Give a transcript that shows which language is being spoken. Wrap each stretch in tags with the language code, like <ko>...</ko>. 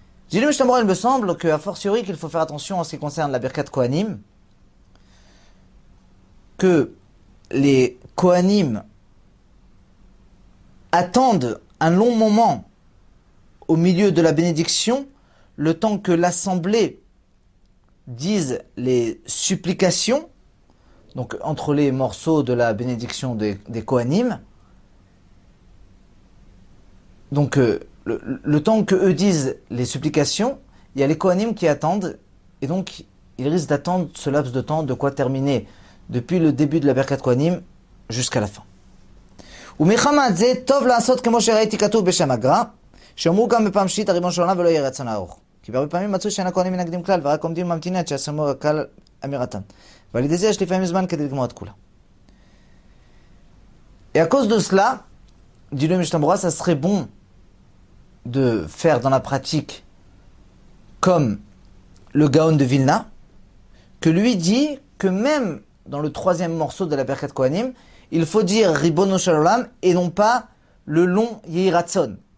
<fr>J'ai lu Mishnah Berurah, il me semble que a fortiori qu'il faut faire attention en ce qui concerne la berkat kohanim, que les kohanim attendent un long moment au milieu de la bénédiction, le temps que l'assemblée dise les supplications, donc entre les morceaux de la bénédiction des Kohanim, donc le temps que eux disent les supplications, il y a les Kohanim qui attendent, et donc ils risquent d'attendre ce laps de temps de quoi terminer depuis le début de la Berkat Kohanim jusqu'à la fin.</fr> <he>ומחמת זה טוב לעשות כמו שראיתי כתוב בשם הגרא שאומרו גם בפעם שיט הריבון של עולם ולא יהיה רצון ארוך כי בהרבה פעמים מצאו שאין הכהנים מנגדים כלל ורק עומדים ממתינים עד שיסיימו הקהל אמירתם ועל ידי זה יש לפעמים זמן כדי לגמור את כולה.</he> <fr>Et à cause de cela, dit le Mishnah Berurah, ça serait bon de faire dans la pratique comme le Gaon de Vilna, que lui dit que même dans le troisième morceau de la Berkat Kohanim, il faut dire Ribono Shel Olam et non pas le long Yehi Ratzon.</fr>